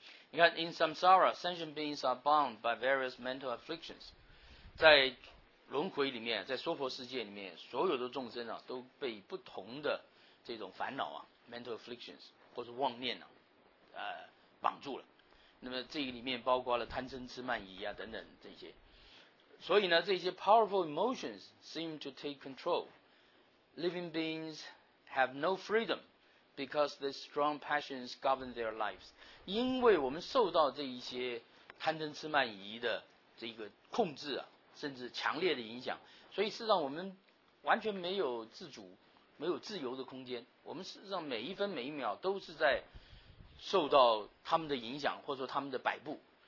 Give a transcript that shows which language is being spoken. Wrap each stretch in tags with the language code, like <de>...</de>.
<zh>你看 ，</zh> <en>in samsara， sentient beings are bound by various mental afflictions，</en> <zh>在轮回里面，在娑婆世界里面，所有的众生啊，都被不同的这种烦恼啊 ，mental afflictions 或是妄念啊，绑住了。那么这个里面包括了贪嗔痴慢疑啊等等这些。所以呢，这些</zh> <en>powerful emotions seem to take control. Living beings have no freedom because the strong passions govern their lives.</en> <zh>因为我们受到这一些贪嗔痴慢疑的这个控制啊。甚至强烈的影响，所以事实上我们完全没有自主，没有自由的空间。我们事实上每一分每一秒都是在受到他们的影响，或者说他们的摆布。</zh>